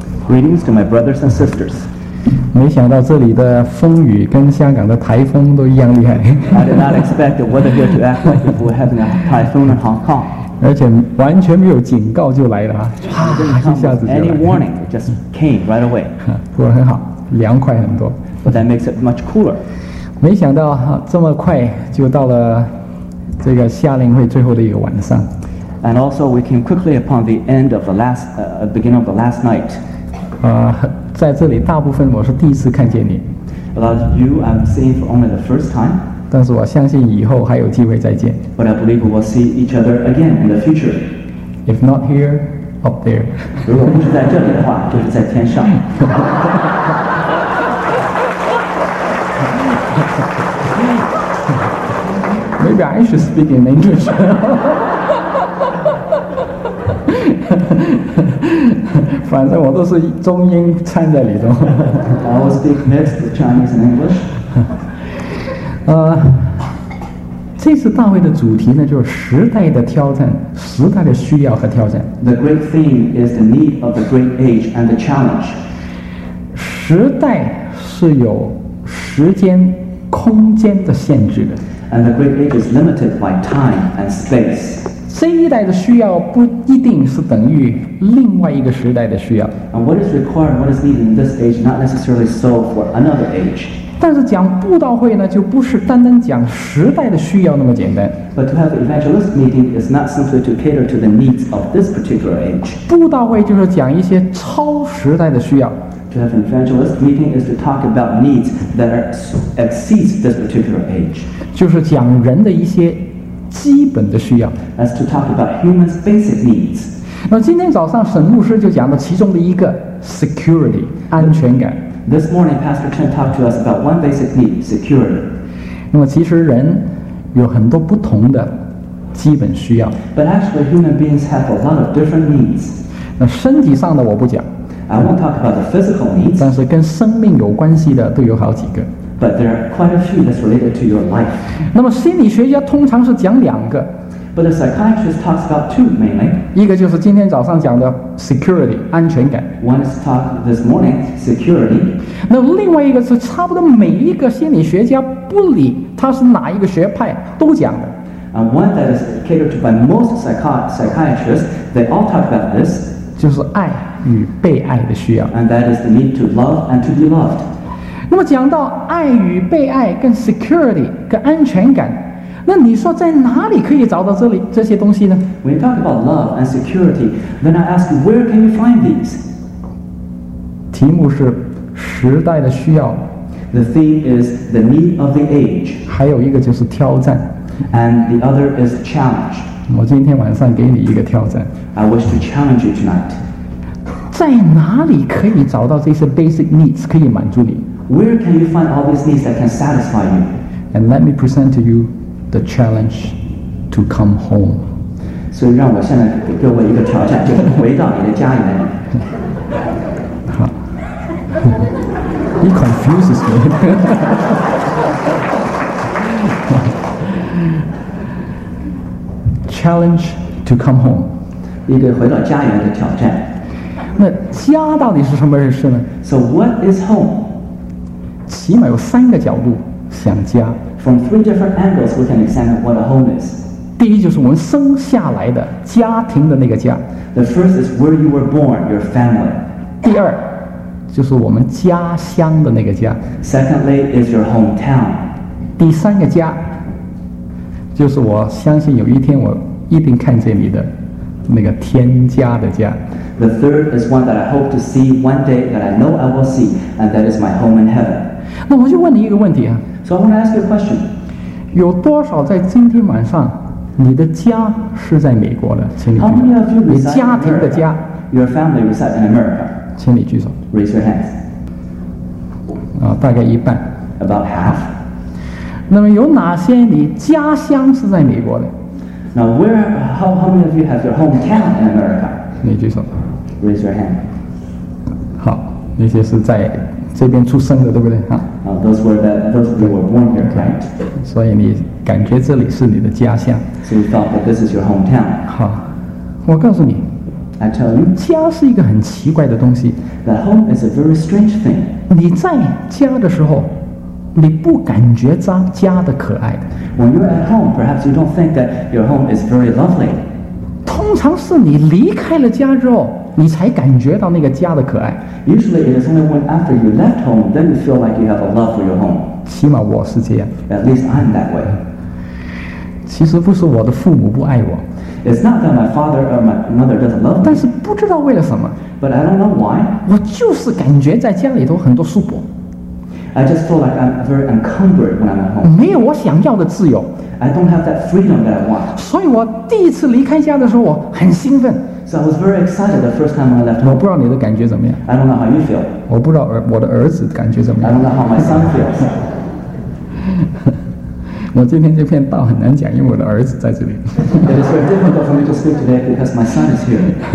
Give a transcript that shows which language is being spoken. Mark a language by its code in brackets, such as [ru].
[en] Greetings to my brothers and sisters. [zh] 没想到这里的风雨跟香港的台风都一样厉害。 [en] I did not expect the weather here to act like if we're having a typhoon in Hong Kong. [zh] 而且完全没有警告就来了啊！一下子就来。 [en] Any warning, it just came right away. [zh] 不过很好，凉快很多。 [en] But that makes it much cooler. [zh] 没想到这么快就到了这个夏令会最后的一个晚上。 [en] And also, we came quickly upon the end of the last, beginning of the last night. [zh] 在这里大部分我是第一次看见你。 [en] About you, I'm seeing for only the first time. [zh] 但是我相信以后还有机会再见。 [en] But I believe we will see each other again in the future. If not here, up there. [zh] 如果不是在这里的话，就是在天上。 [en] Maybe I should speak in English. [zh] 反正我都是中英掺在里头。 [en] I will speak mixed Chinese and English. [zh] 这次大会的主题呢，就是时代的挑战，时代的需要和挑战。 [en] The great theme is the need of the great age and the challenge. [zh] 时代是有时间、空间的限制的。 [en] And the great age is limited by time and space. [zh] 这一代的需要不一定是等于另外一个时代的需要。 [en] And what is required, what is needed in this age, not necessarily so for another age. [zh] 但是讲布道会呢，就不是单单讲时代的需要那么简单。 [en] But to have an evangelist meeting is not simply to cater to the needs of this particular age. [zh] 布道会就是讲一些超时代的需要。 [en] To have an evangelist meeting is to talk about needs that exceeds this particular age. [zh] 就是讲人的一些基本的需要。 [en] As to talk about humans' basic needs. [zh] 那今天早上沈牧师就讲了其中的一个 security 安全感。 [en] This morning, Pastor Chen talked to us about one basic need, security. [zh] 那么其实人有很多不同的基本需要。 [en] But actually, human beings have a lot of different needs. [zh] 那身体上的我不讲。 [en] I won't talk about the physical needs. [zh] 但是跟生命有关系的都有好几个。 [en] But there are quite a few that's related to your life. [zh] 那么心理学家通常是讲两个。 [en] But a psychiatrist talks about two mainly. [zh] 一个就是今天早上讲的 security, 安全感。 [en] One is talk this morning, security. [zh] 那另外一个是差不多每一个心理学家不理他是哪一个学派都讲的。 [en] And one that is catered to by most psychiatrists, they all talk about this. [zh] 就是爱与被爱的需要。 [en] And that is the need to love and to be loved. [zh] 那么讲到爱与被爱跟 security 跟安全感，那你说在哪里可以找到这里这些东西呢？ [en] When you talk about love and security, then I ask, where can you find these? [zh] 题目是时代的需要。 [en] The theme is the need of the age. [zh] 还有一个就是挑战。 [en] And the other is challenge. [zh] 我今天晚上给你一个挑战。 [en] I wish to challenge you tonight. [zh] 在哪里可以找到这些 [en] basic needs [zh] 可以满足你？ [en] Where can you find all these needs that can satisfy you? And let me present to you the challenge to come home. [zh] 所以让我现在给各位一个挑战，就是回到你的家里来。 [en] 好。He confuses me. challenge to come home. [zh] 一个回到家里来的挑战。那家到底是什么意思呢？ [en] So what is home? [zh] 起码有三个角度想家。 [en] From three different angles, we can examine what a home is. [zh] 第一就是我们生下来的家庭的那个家。 [en] The first is where you were born, your family. [zh] 第二就是我们家乡的那个家。 [en] Secondly is your hometown. [zh] 第三个家就是我相信有一天我一定看见你的那个天家的家。 [en] The third is one that I hope to see one day that I know I will see, and that is my home in heaven. [zh] 那我就问你一个问题啊。 [en] So I want to ask you a question. [zh] 有多少在今天晚上，你的家是在美国的？请你举手。 [en] How many of you reside in [zh] America? 你家庭的家。 [en] Your family reside in America. [zh] 请你举手。 [en] Raise your hands. [zh] 大概一半。 [en] About half. [zh] 那么有哪些你家乡是在美国的？ [en] Now where, how many of you have your hometown in America? [zh] 你举手。 [en] Raise your hand. [zh] 好，那些是在这边出生的，对不对？哈。 [en] Those were born here, okay. Right? [zh] 所以你感觉这里是你的家乡。 [en] So you thought that this is your hometown. [zh] 好，我告诉你， [en] I tell you, [zh] 家是一个很奇怪的东西。 [en] That home is a very strange thing. [zh] 你在家的时候，你不感觉家的可爱的。 [en] When you're at home, perhaps you don't think that your home is very lovely. [zh] 通常是你离开了家之后，你才感觉到那个家的可爱。 [en] Usually, it is only when after you left home, then you feel like you have a love for your home. [zh] 起码我是这样。 [en] At least I'm that way. [zh] 其实不是我的父母不爱我。 [en] It's not that my father or my mother doesn't love me. [zh] 但是不知道为了什么。 [en] But I don't know why. [zh] 我就是感觉在家里头很多束缚。 [en] I just feel like I'm very encumbered when I'm at home. [zh] 没有我想要的自由。 [en] I don't have that freedom that I want. [zh] 所以我第一次离开家的时候，我很兴奋。 [en] So I was very excited the first time I left home. [zh] 我不知道你的感觉怎么样。 [en] I don't know how you feel. [zh] 我不知道我的儿子感觉怎么样。 [en] I don't know how my son feels. [zh] 我今天这片道很难讲，因为我的儿子在这里。 [en] It is very difficult for me to speak today because my son is here.